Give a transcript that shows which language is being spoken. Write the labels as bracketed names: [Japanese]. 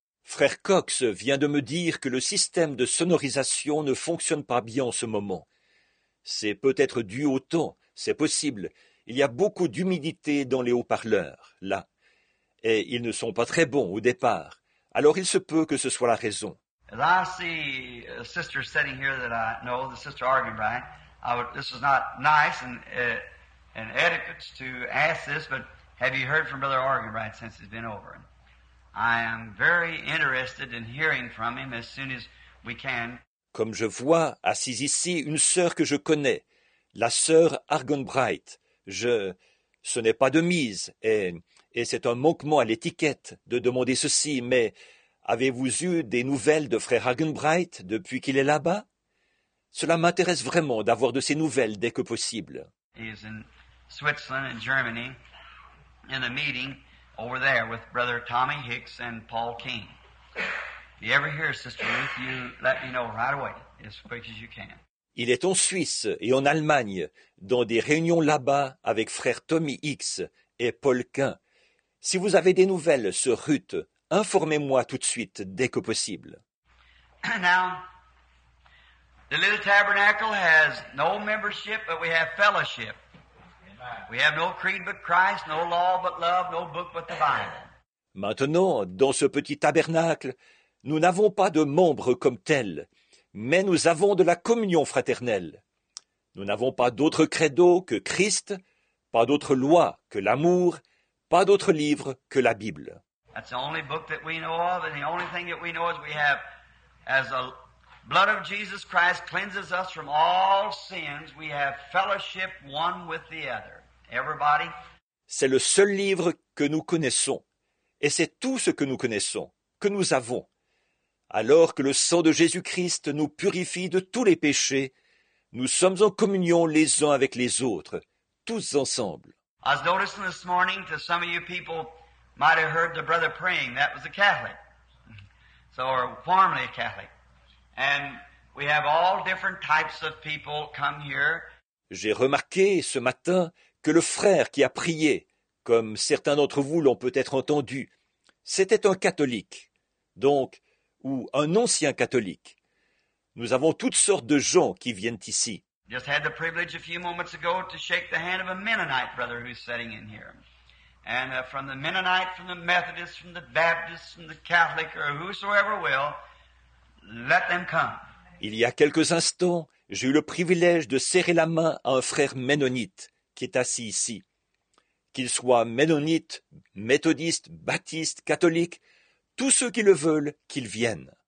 [French] Frère Cox vient de me dire que le système de sonorisation ne fonctionne pas bien en ce moment. C'est peut-être dû au temps, c'est possible. Il y a beaucoup d'humidité dans les haut-parleurs, là. Et ils ne sont pas très bons au départ. Alors il se peut que ce soit la raison. [English] As I see a sister sitting here that I know, the sister Argenbrand, this is not nice and etiquette to ask this, but have you heard from Brother Argenbrand since he's been over? I am very interested in hearing from him as soon as we can. [French] Comme je vois, assise ici, une sœur que je connais, la sœur Argenbrand. Ce n'est pas de mise, et c'est un manquement à l'étiquette de demander ceci, mais avez-vous eu des nouvelles de Frère Argenbrand depuis qu'il est là-bas? Cela m'intéresse vraiment d'avoir de ses nouvelles dès que possible. Il est en Switzerland et Germany. [English] In a meeting over there with Brother Tommy Hicks and Paul King. If you ever hear Sister Ruth, you let me know right away, as quick as you can. [French] Il est en Suisse et en Allemagne, dans des réunions là-bas avec Frère Tommy Hicks et Paul King. Si vous avez des nouvelles sur Ruth, informez-moi tout de suite, dès que possible. [English] Now, the little tabernacle has no membership, but we have fellowship. We have no creed but Christ, no law but love, no book but the Bible. [French] Maintenant, dans ce petit tabernacle, nous n'avons pas de membres comme tels, mais nous avons de la communion fraternelle. Nous n'avons pas d'autre credo que Christ, pas d'autre loi que l'amour, pas d'autre livre que la Bible. [English] That's the only book that we know of, and the only thing that we know is we have, as the blood of Jesus Christ cleanses us from all sins, we have fellowship one with the other. Everybody? [French] C'est le seul livre que nous connaissons, et c'est tout ce que nous connaissons, que nous avons. Alors que le sang de Jésus-Christ nous purifie de tous les péchés, nous sommes en communion les uns avec les autres, tous ensemble. [English] was noticing this morning that some of you people might have heard the brother praying. That was a Catholic. So, or formerly a Catholic. And we have all different types of people come here. [French] J'ai remarqué ce matin que le frère qui a prié, comme certains d'entre vous l'ont peut-être entendu, c'était un catholique, donc, ou un ancien catholique. Nous avons toutes sortes de gens qui viennent ici. [English] Just had the privilege a few moments ago to shake the hand of a Mennonite brother who's sitting in here. And from the Mennonite, from the Methodist, from the Baptist, from the Catholic, or whosoever will, let them come. [French] Il y a quelques instants, j'ai eu le privilège de serrer la main à un frère Mennonite qui est assis ici. Qu'il soit Mennonite, Méthodiste, Baptiste, Catholique, tous ceux qui le veulent, qu'ils viennent.